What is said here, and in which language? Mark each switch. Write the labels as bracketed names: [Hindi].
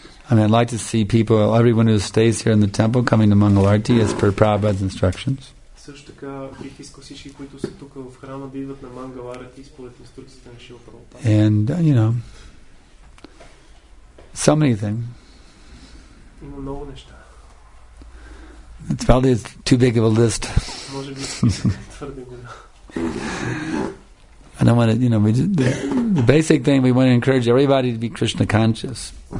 [English] I'd like to see people, everyone who stays here in the temple, coming to Mangalarti as per Prabhupada's instructions. [Bulgarian] Също така бих искал всички, които са тук в храма, да идват на Мангаларати според инструкцията на Шила Прабхупада. [English] And you know, so many things. [Bulgarian] Има много неща. [English] It's probably too big of a list. [Bulgarian] Може би твърде голям. [English] And I want to, you know, the basic thing, we want to encourage everybody to be Krishna conscious.